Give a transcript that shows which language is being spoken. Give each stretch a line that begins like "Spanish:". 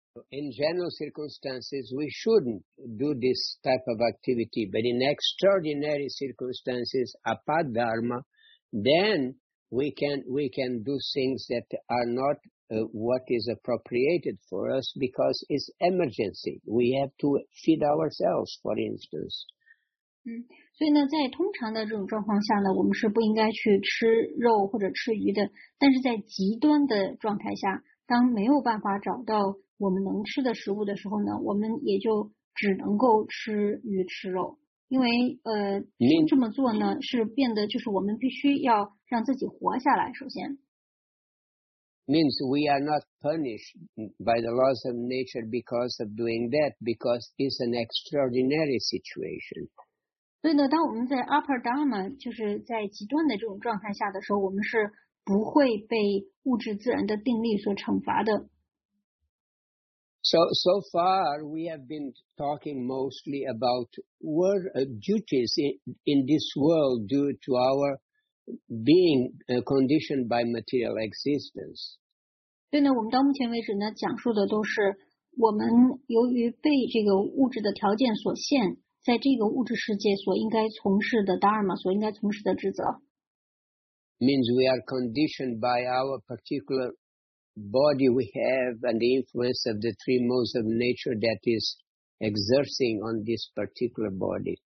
English: In general circumstances, we shouldn't do this type of activity, but in extraordinary circumstances, apadharma, then we can do things that are not what is appropriated for us because it's emergency. We have to feed ourselves, for instance.
Chinese: 所以呢，在通常的这种状况下呢，我们是不应该去吃肉或者吃鱼的。但是在极端的状态下，当没有办法找到我们能吃的食物的时候呢，我们也就只能够吃鱼吃肉，因为这么做呢是变得就是我们必须要让自己活下来。首先
English: means we are not punished by the laws of nature because of doing that because it's an extraordinary situation。
Chinese: 所以呢，当我们在 upper dharma 就是在极端的这种状态下的时候，我们是不会被物质自然的定律所惩罚的。
English: So far, we have been talking mostly about what duties in this world due to our being conditioned by material existence.
Chinese: 对呢，我们到目前为止呢，讲述的都是我们由于被这个物质的条件所限，在这个物质世界所应该从事的 dharma， 所应该从事的职责。
English: Means we are conditioned by our particular body we have and the influence of the three modes of nature that is exercising on this particular body.